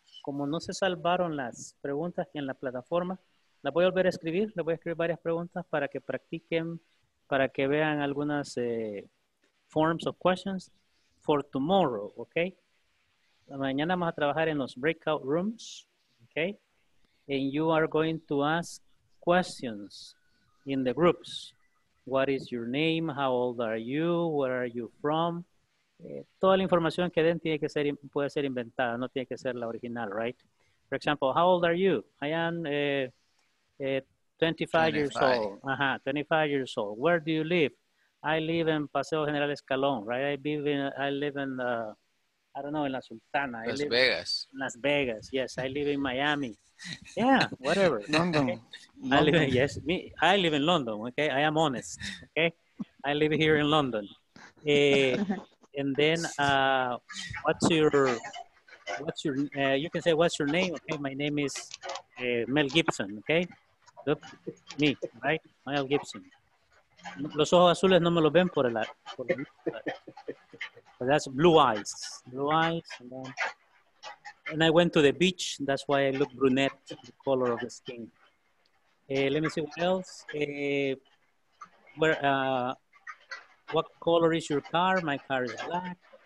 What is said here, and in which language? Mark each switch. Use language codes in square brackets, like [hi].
[es] Como no se salvaron las preguntas en la plataforma, Las voy a volver a escribir, les voy a escribir varias preguntas para que practiquen, para que vean algunas [en] forms of questions for tomorrow, [es] ¿ok? La mañana vamos a trabajar en los breakout rooms, ¿ok? [en] And you are going to ask questions in the groups. What is your name? How old are you? Where are you from? [es] Toda la información que den tiene que ser, puede ser inventada, no tiene que ser la original, right? [en] For example, how old are you? I am 25 years old. Uh-huh, 25 years old. Where do you live? I live in Paseo General Escalón, right? I live in I don't know, in La Sultana. Las Vegas. Las Vegas, yes. I live in Miami. Yeah, whatever. London. Okay. I live in London, okay? I am honest, okay? I live here in London. And then you can say, what's your name? Okay, my name is Mel Gibson, okay? Look, me, right? Mel Gibson. [es] Los ojos azules no me los ven por el arco. [en] But that's blue eyes, and I went to the beach. That's why I look brunette, the color of the skin. Let me see what else. What color is your car? My car is black.